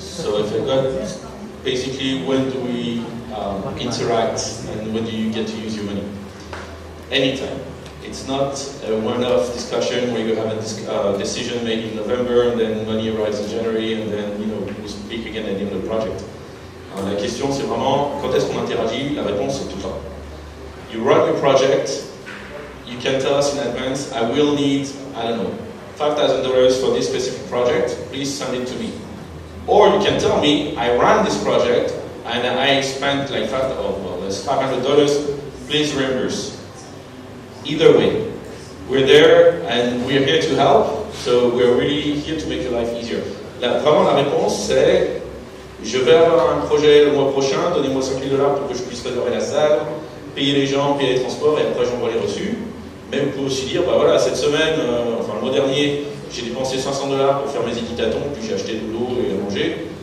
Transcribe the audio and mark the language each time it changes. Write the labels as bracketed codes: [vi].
[en] So if you've got basically when do we interact and when do you get to use your money? Anytime. It's not a one-off discussion where you have a decision made in November and then money arrives in January and then you know we speak again at the end of the project. [fr] La question c'est vraiment quand est-ce qu'on interagit? La réponse c'est tout le temps. [en] You run your project, you can tell us in advance, I will need, I don't know, $5,000 for this specific project, please send it to me. Or you can tell me, I ran this project and I spent like $500, please reimburse. Either way, we're there and we're here to help, so we're really here to make your life easier. [fr] Vraiment la réponse c'est, je vais avoir un projet le mois prochain, donnez-moi $5,000 pour que je puisse réserver la salle, payer les gens, payer les transports et après j'envoie les reçus. Mais vous pouvez aussi dire, bah voilà, cette semaine, enfin le mois dernier, j'ai dépensé $500 pour faire mes équitations, puis j'ai acheté de l'eau et à manger.